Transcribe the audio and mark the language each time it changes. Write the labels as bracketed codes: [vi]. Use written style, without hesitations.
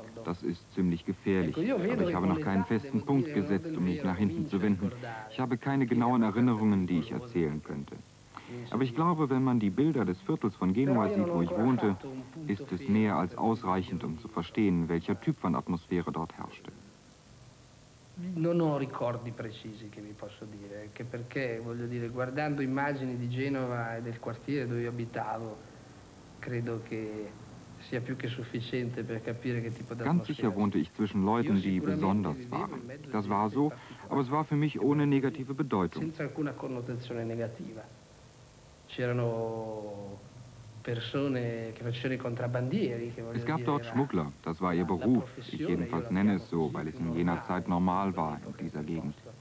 [de] Das ist ziemlich gefährlich, aber ich habe noch keinen festen Punkt gesetzt, um mich nach hinten zu wenden. Ich habe keine genauen Erinnerungen, die ich erzählen könnte. Aber ich glaube, wenn man die Bilder des Viertels von Genua sieht, wo ich wohnte, ist es mehr als ausreichend, um zu verstehen, welcher Typ von Atmosphäre dort herrschte. [it] Non ho ricordi precisi che vi posso dire, che perché, voglio dire, guardando immagini di Genova e del quartiere dove io abitavo, credo che sia più che sufficiente per capire che tipo di [de] Ganz sicher wohnte ich zwischen Leuten, die besonders waren. Das war so, aber es war für mich ohne negative Bedeutung. [it] Senza alcuna connotazione negativa. C'erano persone che facevano i contrabbandieri. [de] Es gab dort Schmuggler, das war ihr Beruf. Ich jedenfalls nenne es so, weil es in jener Zeit normal war in dieser Gegend.